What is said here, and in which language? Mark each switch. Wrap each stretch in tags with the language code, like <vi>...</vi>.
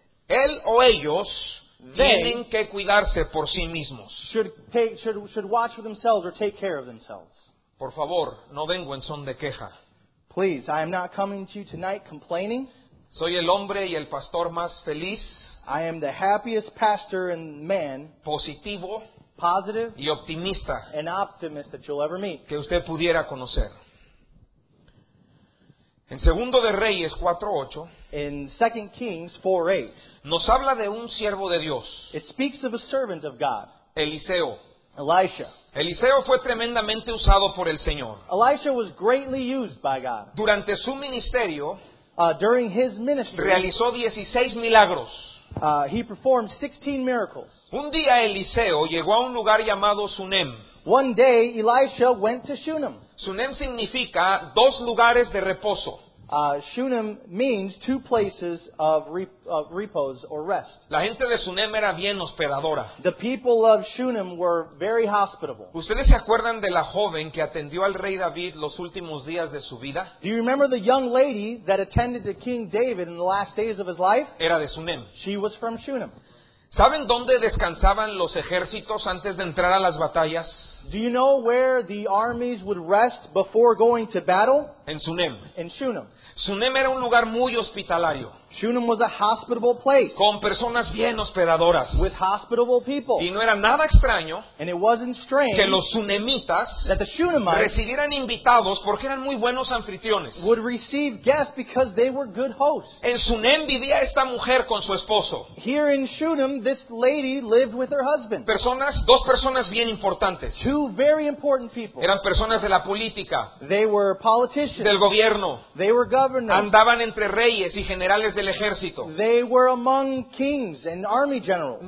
<es>él o ellos, tienen que cuidarse por sí mismos.</es> <en>Should watch for themselves or take care of themselves.</en> <es>Por favor, no vengo en son de queja.</es> <en>Please, I am not coming to you tonight complaining.</en> <es>Soy el hombre y el pastor más feliz.</es> <en>I am the happiest pastor and man.</en> <es>Positivo.</es> <en>Positive.</en> <es>Y optimista.</es> <en>An optimist that you'll ever meet.</en> <es>Que usted pudiera conocer. En Segundo de Reyes 4:8.</es> <en>In 2 Kings 4:8.</en> <es>Nos habla de un siervo de Dios.</es> <en>It speaks of a servant of God.</en> <es>Eliseo.</es> <en>Elisha.</en> <es>Eliseo fue tremendamente usado por el Señor.</es> <en>Elisha was greatly used by God.</en> <es>Durante su ministerio.</es> <en>During his ministry.</en> <es>Realizó 16 milagros.</es> <en>He performed 16 miracles.</en> <es>Un día Eliseo llegó a un lugar llamado Sunem.</es> <en>One day Elisha went to Shunem.</en> <es>Sunem significa dos lugares de reposo.</es> <en>Shunem means two places of repose or rest.</en> <es>La gente de Shunem era bien hospedadora.</es> <en>The people of Shunem were very hospitable.</en> <es>¿Ustedes se acuerdan de la joven que atendió al rey David los últimos días de su vida?</es> <en>Do you remember the young lady that attended to King David in the last days of his life?</en> <es>Era de Shunem.</es> <en>She was from Shunem.</en> <es>¿Saben dónde descansaban los ejércitos antes de entrar a las batallas?</es> <en>Do you know where the armies would rest before going to battle?</en> <es>En Shunem.</es> <en>In Shunem.</en> <es>Shunem era un lugar muy hospitalario.</es> <en>Shunem was a hospitable place.</en> <es>Con personas bien hospedadoras.</es> <en>With hospitable people.</en> <es>Y no era nada extraño.</es> <en>And it wasn't strange.</en> <es>Que los shunemitas.</es> <en>That the Shunemites.</en> <es>Recibieran invitados porque eran muy buenos anfitriones.</es> <en>Would receive guests because they were good hosts.</en> <es>En Shunem vivía esta mujer con su esposo.</es> <en>Here in Shunem, this lady lived with her husband.</en> <es>Personas, dos personas bien importantes.</es> <en>Two very important people.</en> <es>Eran personas de la política.</es> <en>They were politicians.</en> <es>Del gobierno.</es> <en>They were governors.</en> <es>Andaban entre reyes y generales. Del ejército.</es> <en>They were among kings and army generals.</en>